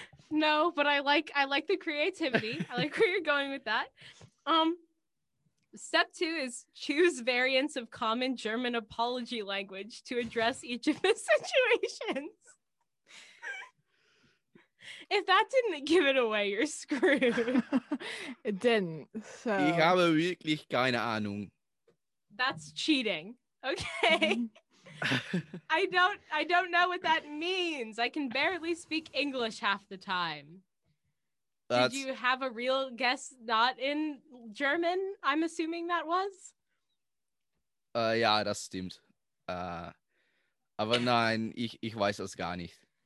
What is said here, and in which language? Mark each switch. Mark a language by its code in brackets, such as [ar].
[en] No, but I like the creativity. I like where you're going with that. Step two is choose variants of common German apology language to address each of the situations. If that didn't give it away, you're screwed. It didn't. So. [de] Ich habe wirklich keine Ahnung. [en] That's cheating. Okay. I don't know what that means. I can barely speak English half the time. Did you have a real guess not in German? I'm assuming that was. [de] Ja, das stimmt. Aber nein, ich weiß es gar nicht.